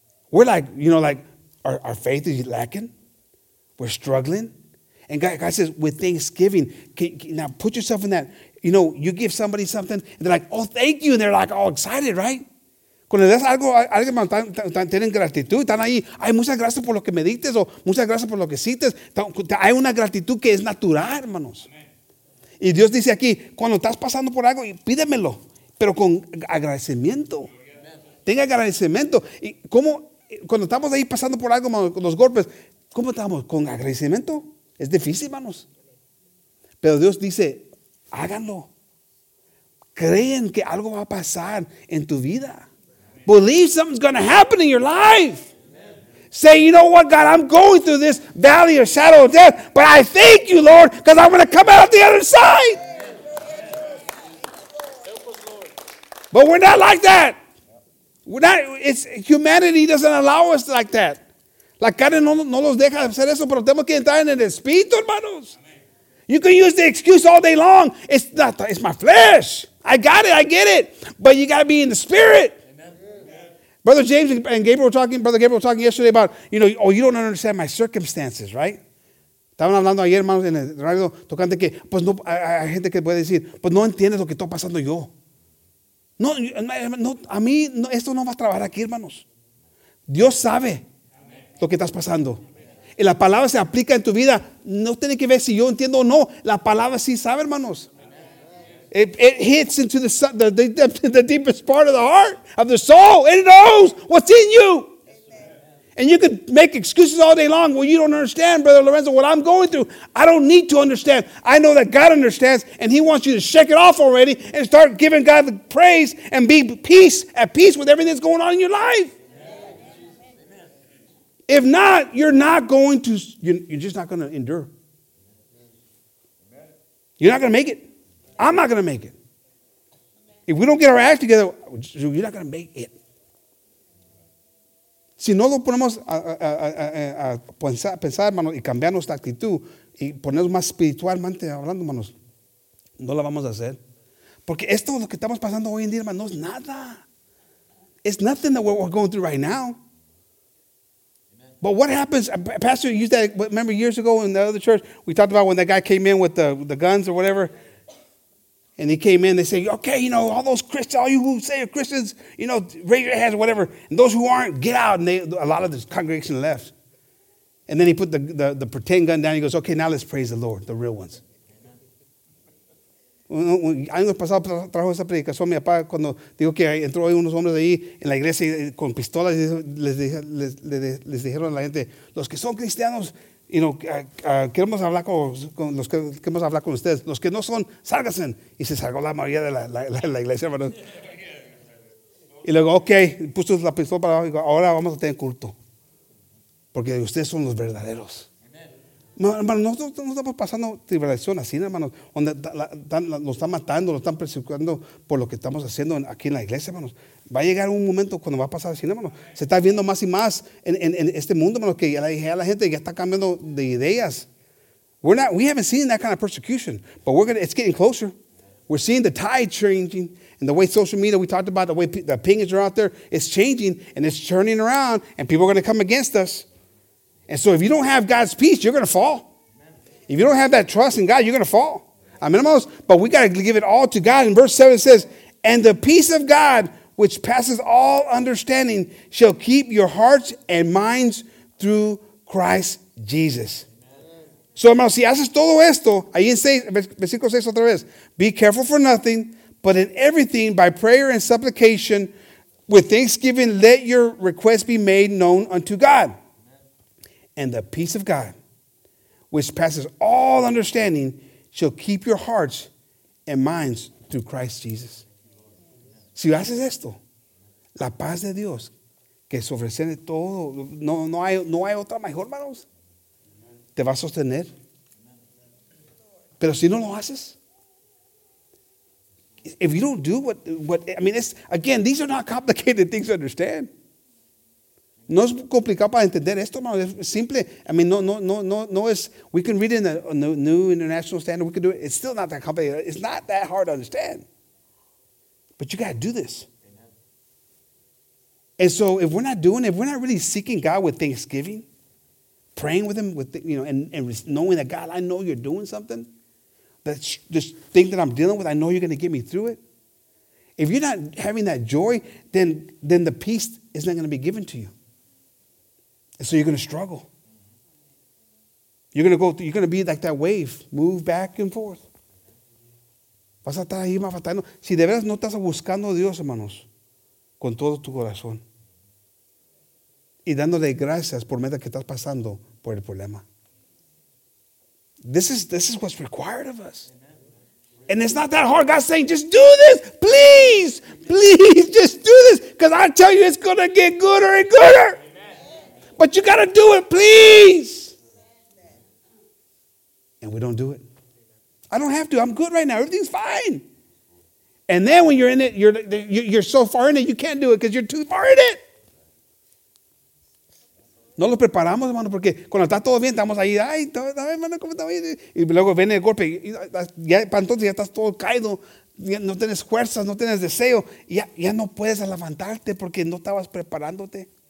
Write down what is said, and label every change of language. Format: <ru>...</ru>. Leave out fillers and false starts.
<en>We're like, you know, like our faith is lacking. We're struggling. And God says, with thanksgiving, now put yourself in that. You know, you give somebody something, and they're like, oh, thank you. And they're like all excited, right?</en> <es>Cuando das algo, alguien tiene gratitud, están ahí. Ay, muchas gracias por lo que me diste, o muchas gracias por lo que hiciste. Hay una gratitud que es natural, hermanos. Y Dios dice aquí, cuando estás pasando por algo, pídemelo, pero con agradecimiento. Tenga agradecimiento. Y cómo, cuando estamos ahí pasando por algo, con los golpes, ¿cómo estamos? ¿Con agradecimiento? Es difícil, hermanos. Pero Dios dice, háganlo. Creen que algo va a pasar en tu vida.</es> <en>Believe something's going to happen in your life. Amen. Say, you know what, God, I'm going through this valley of shadow of death, but I thank you, Lord, because I'm going to come out the other side. Amen. But we're not like that. We're not. It's humanity doesn't allow us like that.</en> <es>La carne no los deja hacer eso, pero tenemos que entrar en el espíritu, hermanos.</es> <en>You can use the excuse all day long. It's my flesh. I got it. I get it. But you got to be in the spirit. Brother James and Gabriel were talking, Brother Gabriel was talking yesterday about, you know, oh, you don't understand my circumstances, right?</en> <es>Estaban hablando ayer, hermanos, en el radio, tocante que, pues no, hay gente que puede decir, pues no entiendes lo que estoy pasando yo. No, a mí, no, esto no va a trabajar aquí, hermanos. Dios sabe lo que estás pasando. Y la palabra se aplica en tu vida. No tiene que ver si yo entiendo o no. La palabra sí sabe, hermanos.</es> <en>It hits into the deepest part of the heart, of the soul. And it knows what's in you. Amen. And you can make excuses all day long. Well, you don't understand, Brother Lorenzo, what I'm going through. I don't need to understand. I know that God understands, and he wants you to shake it off already and start giving God the praise and be peace at peace with everything that's going on in your life. Amen. If not, you're just not going to endure. You're not going to make it. I'm not going to make it. If we don't get our act together, you're not going to make it.</en> <es>Si no lo ponemos a pensar, hermanos, y cambiar nuestra actitud, y ponernos más espiritualmente hablando, hermanos, no la vamos a hacer. Porque esto lo que estamos pasando hoy en día, hermano, no es nada.</es> <en>It's nothing that we're going through right now. But what happens, Pastor used that, remember years ago in the other church, we talked about when that guy came in with the guns or whatever, and he came in, they say, okay, you know, all those Christians, all you who say are Christians, you know, raise your hands or whatever, and those who aren't, get out, and a lot of this congregation left. And then he put the pretend gun down, he goes, okay, now let's praise the Lord, the real ones.</en> <es>Años pasado trajo esa predicación mi papá cuando dijo que entró unos hombres ahí en la iglesia con pistolas y les dijeron a la gente los que son cristianos y no queremos hablar con los que queremos hablar con ustedes los que no son sálganse y se salgó la mayoría de la iglesia, hermano. Y luego okay, puso la pistola para abajo y dijo, ahora vamos a tener culto porque ustedes son los verdaderos. Hermano, nosotros no estamos pasando tribulación así, hermanos, donde nos están matando, nos están persiguiendo por lo que estamos haciendo aquí en la iglesia, hermanos. Va a llegar un momento cuando va a pasar así, hermanos. Se está viendo más y más en este mundo, hermanos, que ya la gente ya está cambiando de ideas.</es> <en>We haven't seen that kind of persecution, but it's getting closer. We're seeing the tide changing and the way social media, we talked about the way the opinions are out there, it's changing and it's turning around and people are going to come against us. And so if you don't have God's peace, you're going to fall. Amen. If you don't have that trust in God, you're going to fall. Amen. But we got to give it all to God. And verse 7 says, and the peace of God, which passes all understanding, shall keep your hearts and minds through Christ Jesus. Amen. So,</en> <es>hermanos, si haces todo esto, ahí en 6, versículo 6 otra vez,</es> <en>be careful for nothing, but in everything, by prayer and supplication, with thanksgiving, let your requests be made known unto God. And the peace of God, which passes all understanding, shall keep your hearts and minds through Christ Jesus.</en> <es>Si haces esto, la paz de Dios, que sobresale todo, no hay otra mejor, hermanos, te va a sostener. Pero si no lo haces,</es> <en>if you don't do it's, again, these are not complicated things to understand.</en> <es>No es complicado para entender esto, hermano. Es simple.</es> <en>I mean,</en> <es>no es.</es> <en>We can read it in the New International Standard. We can do it. It's still not that complicated. It's not that hard to understand. But you got to do this. Amen. And so, if we're not doing it, if we're not really seeking God with thanksgiving, praying with Him, and knowing that God, I know you're doing something, that this thing that I'm dealing with, I know you're going to get me through it. If you're not having that joy, then the peace is not going to be given to you. And so you're going to struggle. You're going to be like that wave, move back and forth.</en> <es>Vas a estar ahí más fatal. Si de veras no estás buscando a Dios, hermanos, con todo tu corazón y dándole gracias por medio que estás pasando por el problema.</es> <en>This is what's required of us. And it's not that hard. God's saying, just do this. Please, please, just do this. Because I tell you, it's going to get gooder and gooder. But you got to do it, please. And we don't do it. I don't have to. I'm good right now. Everything's fine. And then when you're in it, you're so far in it, you can't do it because you're too far in it.</en> <es>No lo preparamos, hermano, porque cuando está todo bien, estamos ahí, ay, hermano, ¿cómo está bien? Y luego viene el golpe. Ya para entonces ya estás todo caído. No tienes fuerzas, no tienes deseo. Ya no puedes levantarte porque no estabas preparándote.</es>